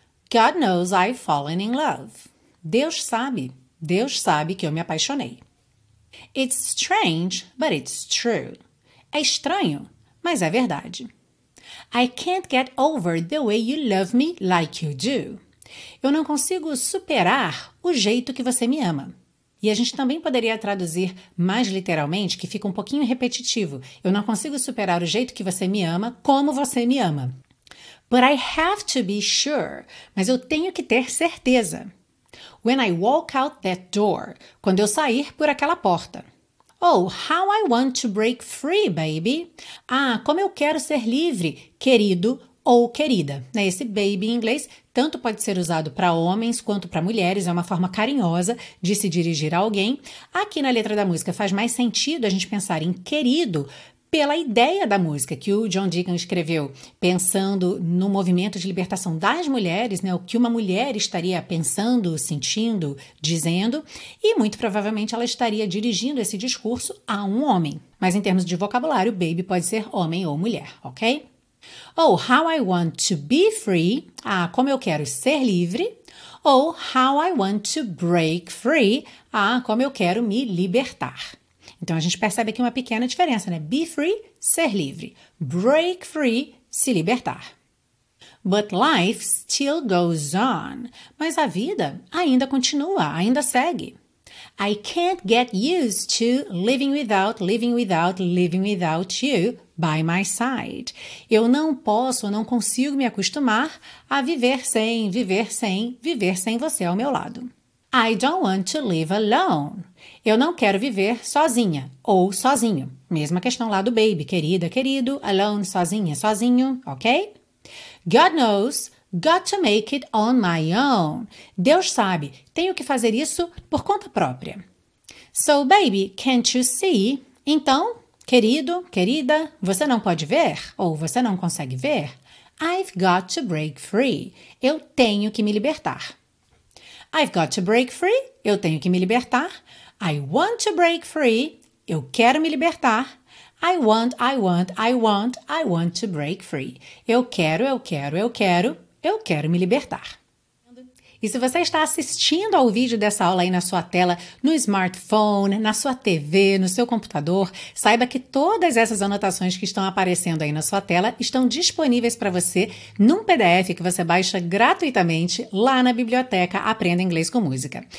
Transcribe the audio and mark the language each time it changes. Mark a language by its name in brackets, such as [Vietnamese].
[English] God knows I've fallen in love. [Portuguese] Deus sabe que eu me apaixonei. [English] It's strange, but it's true. [Portuguese] É estranho, mas é verdade. [English] I can't get over the way you love me like you do. [Portuguese] Eu não consigo superar o jeito que você me ama. E a gente também poderia traduzir mais literalmente, que fica um pouquinho repetitivo. Eu não consigo superar o jeito que você me ama, como você me ama. [English] But I have to be sure. [Portuguese] Mas eu tenho que ter certeza. [English] When I walk out that door. [Portuguese] Quando eu sair por aquela porta. [English] Oh, how I want to break free, baby. [Portuguese] Ah, como eu quero ser livre, querido ou querida. Esse baby em inglês tanto pode ser usado para homens quanto para mulheres. É uma forma carinhosa de se dirigir a alguém. Aqui na letra da música faz mais sentido a gente pensar em querido pela ideia da música que o John Deacon escreveu, pensando no movimento de libertação das mulheres, né, o que uma mulher estaria pensando, sentindo, dizendo, e muito provavelmente ela estaria dirigindo esse discurso a um homem. Mas em termos de vocabulário, baby pode ser homem ou mulher, ok? Ou [English] how I want to be free, [Portuguese] ah, como eu quero ser livre, ou [English] how I want to break free, [Portuguese] ah, como eu quero me libertar. Então, a gente percebe aqui uma pequena diferença, né? [English] Be free, [Portuguese] ser livre. [English] Break free, [Portuguese] se libertar. [English] But life still goes on. [Portuguese] Mas a vida ainda continua, ainda segue. [English] I can't get used to living without you by my side. [Portuguese] Eu não posso, não consigo me acostumar a viver sem você ao meu lado. [English] I don't want to live alone. [Portuguese] Eu não quero viver sozinha ou sozinho. Mesma questão lá do baby, querida, querido, alone, sozinha, sozinho, ok? [English] God knows, got to make it on my own. [Portuguese] Deus sabe, tenho que fazer isso por conta própria. [English] So, baby, can't you see? [Portuguese] Então, querido, querida, você não pode ver ou você não consegue ver? [English] I've got to break free. [Portuguese] Eu tenho que me libertar. [English] I've got to break free. [Portuguese] Eu tenho que me libertar. [English] I want to break free. [Portuguese] Eu quero me libertar. [English] I want, I want, I want, I want to break free. [Portuguese] Eu quero, eu quero, eu quero, eu quero me libertar. E se você está assistindo ao vídeo dessa aula aí na sua tela, no smartphone, na sua TV, no seu computador, saiba que todas essas anotações que estão aparecendo aí na sua tela estão disponíveis para você num PDF que você baixa gratuitamente lá na biblioteca Aprenda Inglês com Música.